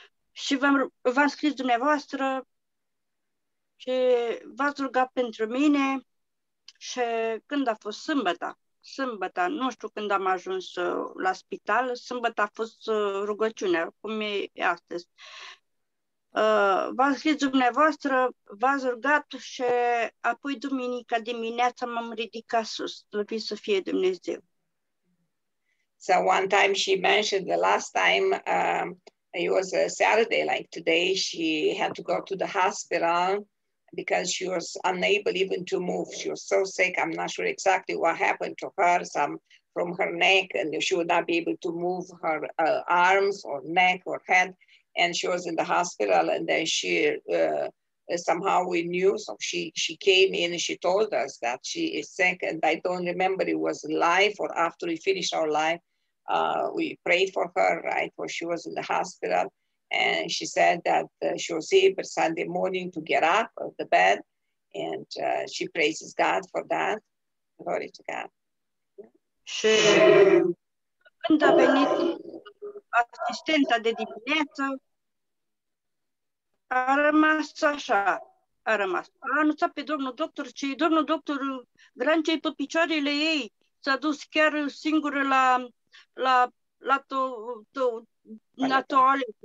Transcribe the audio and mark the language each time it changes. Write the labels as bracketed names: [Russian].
[Romanian] Și v-am scris dumneavoastră și v-ați rugat pentru mine și când a fost sâmbăta, nu știu când am ajuns la spital, sâmbăta a fost rugăciunea, cum e astăzi. V-ați scris dumneavoastră, v-ați rugat și apoi duminica dimineața m-am ridicat sus, slăvit să fie Dumnezeu. [English] So one time she mentioned the last time, it was a Saturday like today, she had to go to the hospital because she was unable even to move. She was so sick. I'm not sure exactly what happened to her, some from her neck, and she would not be able to move her arms or neck or head. And she was in the hospital, and then she somehow we knew. So she came in and she told us that she is sick. And I don't remember it was live or after we finished our live. We prayed for her, right, while she was in the hospital. And she said that she was able Sunday morning to get up of the bed, and she praises God for that. Glory to God. [Romanian] Și când a venit asistenta de dimineață, a rămas așa, a rămas. A anunțat pe domnul doctor, ce domnul doctor Grancia pe picioarele ei, s-a dus chiar singură la toaletă.